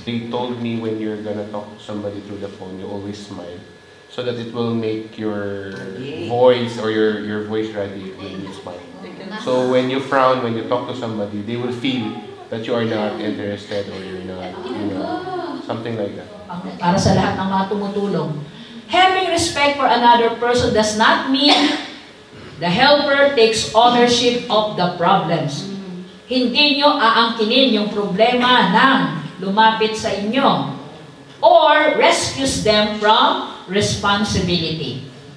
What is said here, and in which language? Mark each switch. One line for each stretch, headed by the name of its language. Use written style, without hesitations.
English: They told me when you're gonna talk to somebody through the phone, you always smile. So that it will make your voice or your voice ready when you smile. So when you frown, when you talk to somebody, they will feel that you are not interested or you're not, you know, something like that.
Filipino: Para sa lahat ng mga tumutulong.
English: Having respect for another person does not mean the helper takes ownership of the problems.
Filipino: Hindi nyo aangkinin yung problema ng lumapit sa inyo
English: or rescues them from responsibility.